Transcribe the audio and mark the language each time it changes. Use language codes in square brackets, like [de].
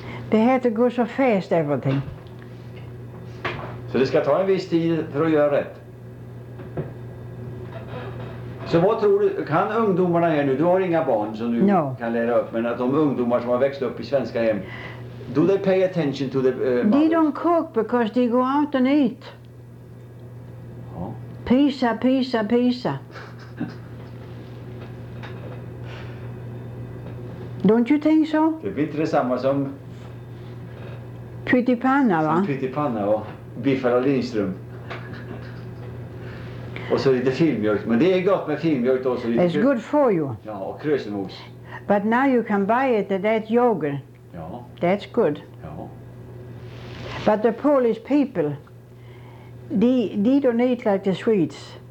[en] They had to go so fast everything. [sv] Så det ska ta en viss tid för att göra rätt. Så vad tror du, kan ungdomarna här nu, du har inga barn som du [en] no. [sv] kan lära upp, men att de ungdomar som har växt upp i svenska hem, [en] do they pay attention to the mothers? They don't cook because they go out and eat. [sv] Ja. [en] Pizza, pizza, pizza. Don't you think so? [sv] Det blir inte det samma som pyttipanna, va? Som pyttipanna och biffar och Lindström. Och så lite filmjölk. Men det är gott med filmjölk också. [en] It's good for you. [sv] Ja, och krösenmos. [en] But now you can buy it at that yogurt. [sv] Ja. [en] That's good. [sv] Ja. [en] But the Polish people, they don't eat like the Swedes.